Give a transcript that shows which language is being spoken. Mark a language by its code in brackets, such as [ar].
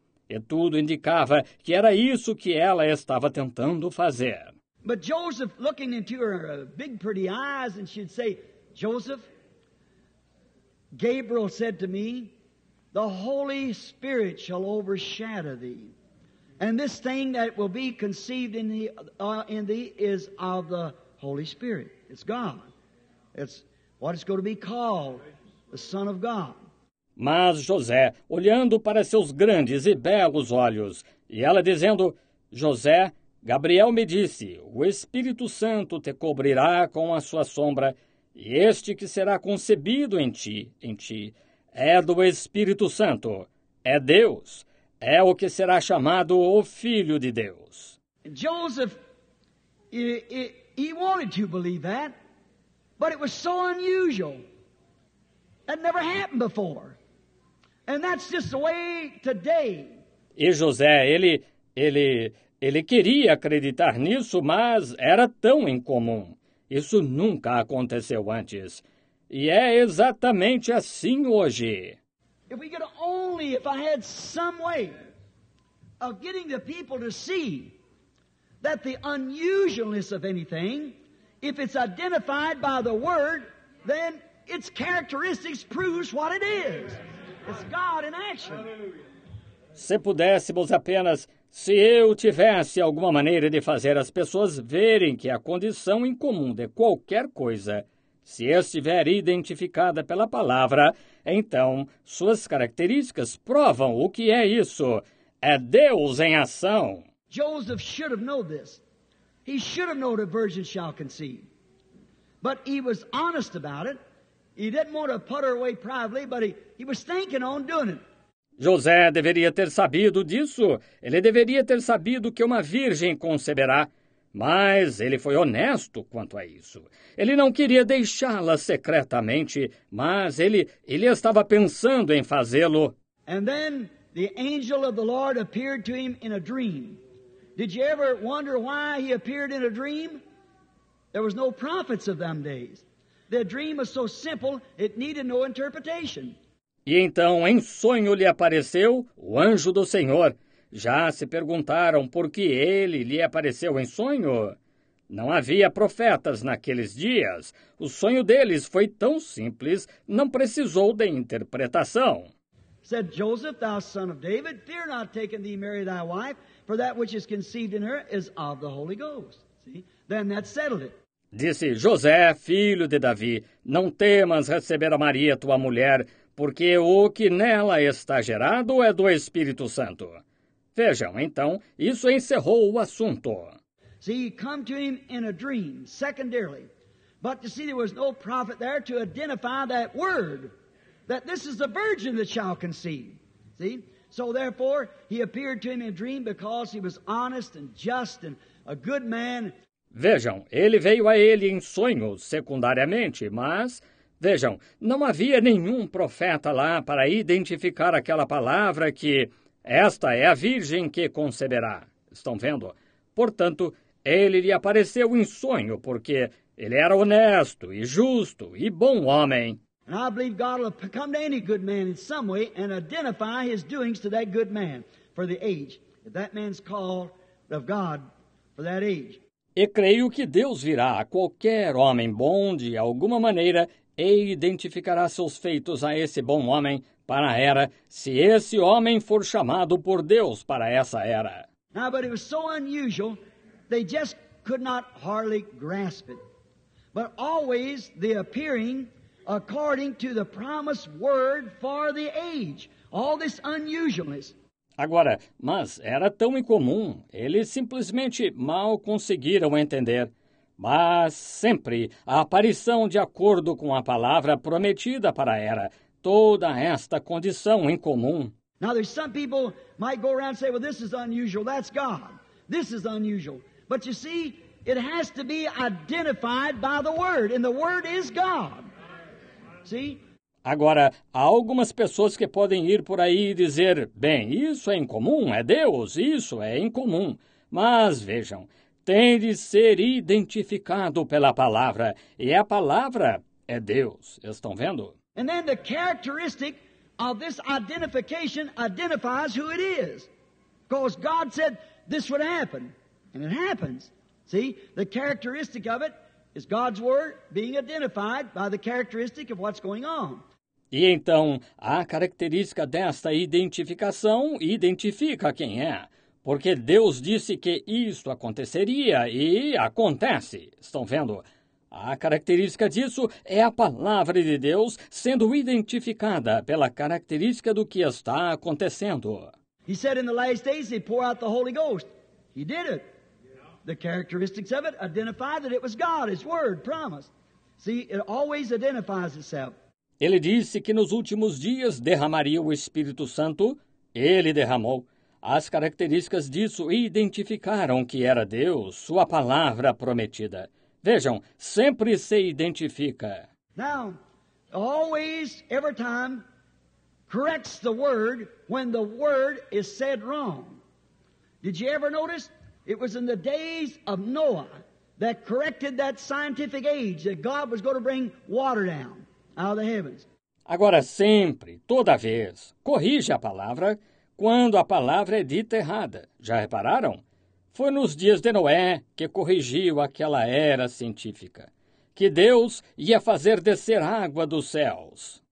[pt] E tudo indicava que era isso que ela estava tentando fazer. [en] But Joseph, looking into her big, pretty eyes, and she'd say, Joseph, Gabriel said to me, the Holy Spirit shall overshadow thee, and this thing that will be conceived in thee is of the Holy Spirit. It's God. It's what it's going to be called, the Son of God. [pt] Mas José, olhando para seus grandes e belos olhos, e ela dizendo: José, Gabriel me disse, o Espírito Santo te cobrirá com a sua sombra, e este que será concebido em ti, é do Espírito Santo, é Deus, é o que será chamado o Filho de Deus. [en] Joseph, he wanted to believe that, but it was so unusual. It never happened before. And that's just the way today. [pt] E José, ele queria acreditar nisso, mas era tão incomum. Isso nunca aconteceu antes. E é exatamente assim hoje. [en] If we could only, if I had some way of getting the people to see that the unusualness of anything, if it's identified by the word, then its characteristics proves what it is. It's God in action. [pt] Se pudéssemos apenas, se eu tivesse alguma maneira de fazer as pessoas verem que a condição incomum de qualquer coisa, se estiver identificada pela palavra, então suas características provam o que é isso. É Deus em ação. [en] Joseph should have known this. He should have known a virgin shall conceive. But he was honest about it. He didn't want to put her away privately, but he was thinking on doing it. [pt] José deveria ter sabido disso. Ele deveria ter sabido que uma virgem conceberá. Mas ele foi honesto quanto a isso. Ele não queria deixá-la secretamente, mas ele estava pensando em fazê-lo. [en] And then the angel of the Lord appeared to him in a dream. Did you ever wonder why he appeared in a dream? There was no prophets of them days. The dream was so simple, it needed no interpretation. [pt] E então, em sonho lhe apareceu o anjo do Senhor. Já se perguntaram por que ele lhe apareceu em sonho? Não havia profetas naqueles dias. O sonho deles foi tão simples, não precisou de interpretação. [en] Said Joseph, thou son of David, fear not taking thee Mary thy wife, for that which is conceived in her is of the Holy Ghost. See? Then that settled it. [pt] Disse José, filho de Davi, não temas receber a Maria tua mulher, porque o que nela está gerado é do Espírito Santo. Vejam, então, isso encerrou o assunto. [en] See, come to him in a dream, secondarily. But you see, there was no prophet there to identify that word, that this is the virgin that shall conceive. See? So therefore, he appeared to him in a dream because he was honest and just and a good man. [pt] Vejam, ele veio a ele em sonhos, secundariamente, mas... Vejam, não havia nenhum profeta lá para identificar aquela palavra que... Esta é a virgem que conceberá. Estão vendo? Portanto, ele lhe apareceu em sonho, porque ele era honesto e justo e bom homem. [en] And I believe God will come to any good man in some way and identify his doings to that good man for the age. If that man's called of God for that age. [pt] E creio que Deus virá a qualquer homem bom de alguma maneira e identificará seus feitos a esse bom homem para a era, se esse homem for chamado por Deus para essa era. [en] Now, but it was so unusual, they just could not hardly grasp it. But always the appearing according to the promised word for the age. All this unusualness. [pt] Agora, mas era tão incomum, eles simplesmente mal conseguiram entender. Mas sempre a aparição de acordo com a palavra prometida para a era, toda esta condição incomum. [en] Now there's some people might go around and say, well, this is unusual, that's God. This is unusual. But you see, it has to be identified by the word, and the word is God. See? [pt] Agora, há algumas pessoas que podem ir por aí e dizer, bem, isso é incomum, é Deus, isso é incomum. Mas vejam, tem de ser identificado pela palavra, e a palavra é Deus. Estão vendo? [en] And then the characteristic of this identification identifies who it is. Because God said this would happen, and it happens. See, the characteristic of it is God's word being identified by the characteristic of what's going on. [pt] E então, a característica desta identificação identifica quem é. Porque Deus disse que isto aconteceria e acontece. Estão vendo? A característica disso é a palavra de Deus sendo identificada pela característica do que está acontecendo. [en] He said in the last days he pour out the Holy Ghost. He did it. The characteristics of it identify that it was God, His word, promise. See, it always identifies itself. [pt] Ele disse que nos últimos dias derramaria o Espírito Santo. Ele derramou. As características disso identificaram que era Deus, sua palavra prometida. Vejam, sempre se identifica. [en] Now, always, every time, corrects the word when the word is said wrong. Did you ever notice? It was in the days of Noah that corrected that scientific age that God was going to bring water down out of the heavens. [pt] Agora sempre, toda vez, corrige a palavra quando a palavra é dita errada. Já repararam? Foi nos dias de Noé que corrigiu aquela era científica, que Deus ia fazer descer água dos céus.